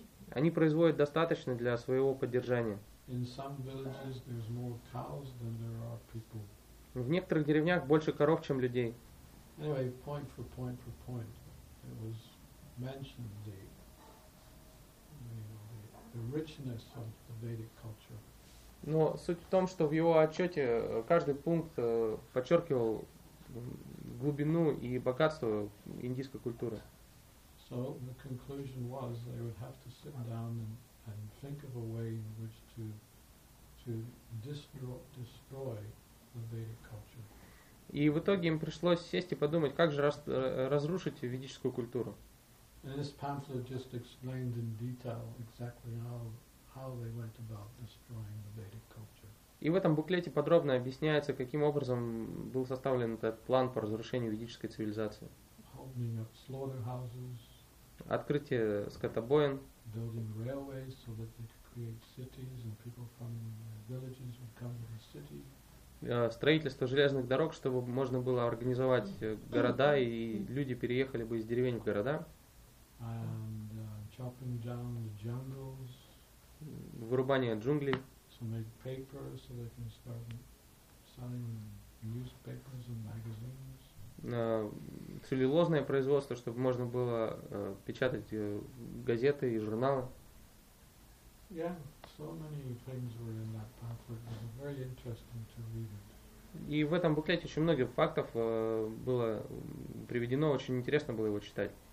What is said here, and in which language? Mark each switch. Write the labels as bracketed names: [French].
[Russian] Они производят достаточно для своего поддержания. В некоторых деревнях больше коров, чем людей. [English] Anyway, point for point for point, it was mentioned the richness of the Vedic culture. [Russian] Но суть в том, что в его отчете каждый пункт подчеркивал глубину и богатство индийской культуры. [English] So the conclusion was they would have to sit down and think of a way in which to destroy the Vedic culture. [Russian] И в итоге им пришлось сесть и подумать, как же разрушить ведическую культуру. [English] And this pamphlet just explained in detail exactly how they went about destroying the Vedic culture. [Russian] И в этом буклете подробно объясняется, каким образом был составлен этот план по разрушению ведической цивилизации. [English] Opening up slaughterhouses. [Russian] Открытие скотобоин. [English] Building railways so that they could create cities and people from villages would come to the city. [Russian] Строительство железных дорог, чтобы можно было организовать города, и люди переехали бы из деревень в города. [English] And, chopping down the jungles. [Russian] Вырубание джунглей. [English] So make paper so they can start selling newspapers and magazines. [Russian] Целлюлозное производство, чтобы можно было печатать газеты и журналы. [English] Yeah, so many things were in that pamphlet. It was very interesting to read it. [Russian] И в этом буклете очень много фактов было приведено, очень интересно было его читать.